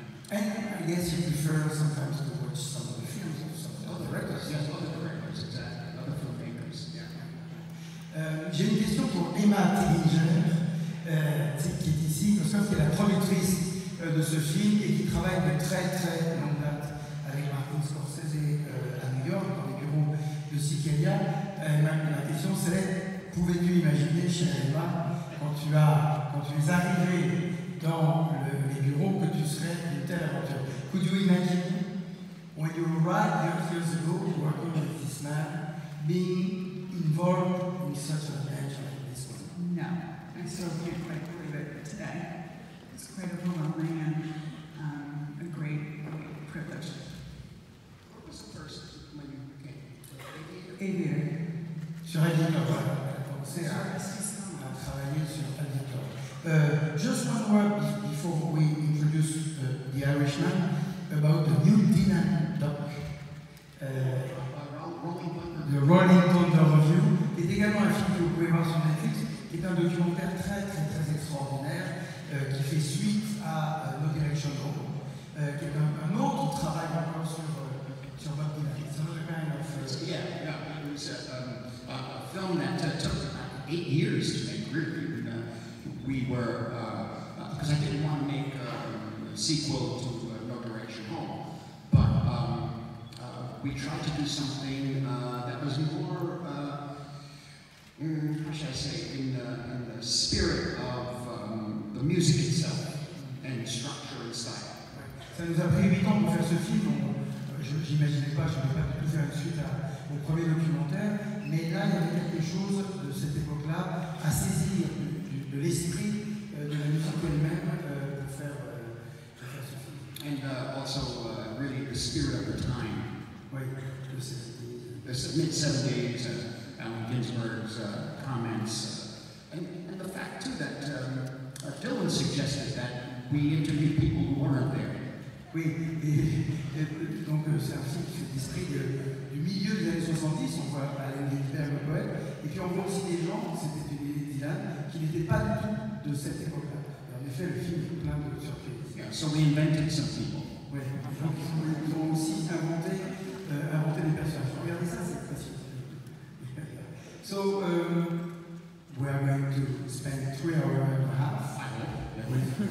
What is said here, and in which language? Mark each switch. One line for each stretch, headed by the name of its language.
English: And I guess you prefer sometimes to watch some of the films of some other directors. Yes, other directors, exactly. Other filmmakers, yeah.
French: J'ai une question pour Emma Tillinger, qui est ici, parce que c'est la productrice de ce film et qui travaille de très très longue date avec Martin Scorsese à New York, dans les bureaux de Sicilia. Ma question serait, pouvais-tu imaginer, chère Emma, quand tu es arrivée dans les bureaux, que tu serais une telle aventure?
English: Could you imagine, when you arrived here years ago, working with this man, being involved in such an adventure like this one? No, I still can't quite believe it today. It's quite overwhelming and a great, great privilege. What was the first when you came to Aviator?
French: J'aurais dit que voilà, commencer à travailler sur Aviator.
English: Just one word before we introduce the Irishman about the new Dylan doc.
French: The Rolling Thunder Review est également un film que vous pouvez voir sur Netflix, qui est un documentaire très très très extraordinaire qui fait suite à No Direction Home, qui est un autre travail encore sur Bob Dylan.
English: It's another kind of a film that took about 8 years to make, really. Because I didn't want to make a sequel to No Direction Home, but we tried to do something that was more, how should I say, in the spirit of the music itself and structure and style.
French: Ça nous a pris 8 ans pour faire ce film. J'imaginais pas, j'aurais pas du tout fait la suite au premier documentaire, mais là il y avait quelque chose de cette époque-là à saisir. De l'esprit de la musique elle-même pour faire ce film.
English: And also really the spirit of the time. Oui, the 70s. The mid-70s, Allen Ginsberg's comments. And the fact too that Dylan suggested that we interview people who weren't there.
French: Oui, et donc c'est un film qui décrit du milieu des années 70, on voit Allen Ginsberg, le poète, et puis on voit aussi des gens, c'était qui n'était pas du tout de cette époque-là. En effet, le film est plein de surprises.
English: Yeah, so we invented some people.
French: Oui, donc ils ont aussi inventé des personnages. Regardez ça, c'est précieux.
English: So, we are going to spend 3 hours and a half.